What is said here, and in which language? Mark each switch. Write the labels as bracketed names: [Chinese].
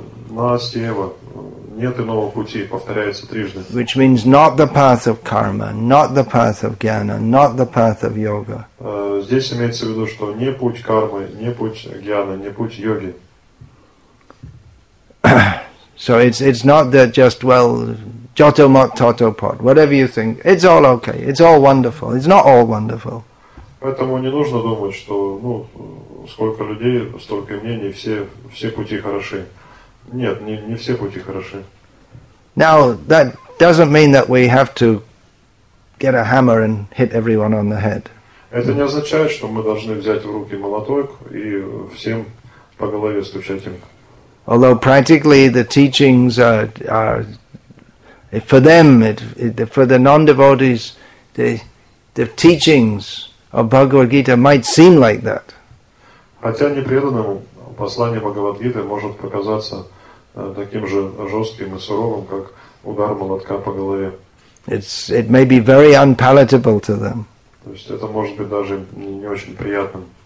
[Sanskrit] Naasti eva, [Russian] нет иного пути, повторяется трижды. [English] Which means not the path of karma, not the path of jnana, not the path of yoga. [Russian] Здесь имеется в виду, что не путь кармы, не путь jnana, не путь йоги. [English] So it's not that just, well, [Bangla] Jato mot toto pot, [English] whatever you think, it's all okay, it's all wonderful. It's not all wonderful. [Russian] Поэтому не нужно думать, что сколько людей, столько мнений, все пути хороши. Нет, не все пути хороши. [English] Now, that doesn't mean that we have to get a hammer and hit everyone on the head. [Russian] Это не означает, что мы должны взять в руки молоток и всем по голове стучать им. [English] Although practically the teachings are for them, for the non-devotees, the teachings of Bhagavad Gita might seem like that. [Russian] Хотя непреданному послание Бхагавад Гиты может показаться таким же жестким и суровым, как удар молотка по голове. [English] It may be very unpalatable to them. [Russian] То есть это может быть даже не очень приятным.